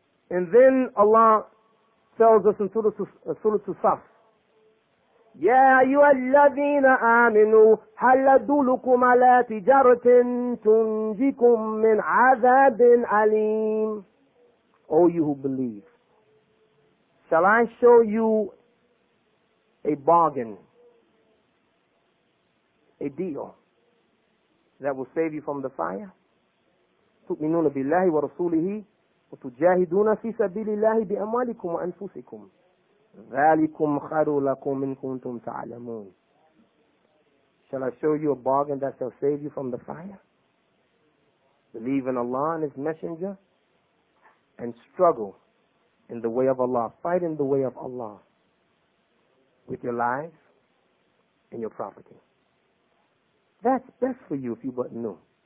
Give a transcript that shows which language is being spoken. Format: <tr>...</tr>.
<en>And then Allah tells us in Surah Saf,</en> <ar>يَا أَيُّهَا الَّذِينَ آمِنُوا هَلْ أَدُلُّكُمْ عَلَىٰ تِجَارَةٍ تُنْجِيكُمْ مِنْ عَذَابٍ أَلِيمٍ</ar> <en>O you who believe, shall I show you a bargain, a deal that will save you from the fire?</en> <ar>تُؤْمِنُونَ بِاللَّهِ وَرَسُولِهِ وَتُجَاهِدُونَ فِي سَبِيلِ اللَّهِ بِأَمْوَالِكُمْ وَأَنفُسِكُمْ ذَلِكُمْ خَرُ لَكُمْ مِنْ كُنْتُمْ تَعْلَمُونَ</ar> <en>Shall I show you a bargain that shall save you from the fire? Believe in Allah and His Messenger and struggle in the way of Allah. Fight in the way of Allah with your life and your property. That's best for you if you but know.</en>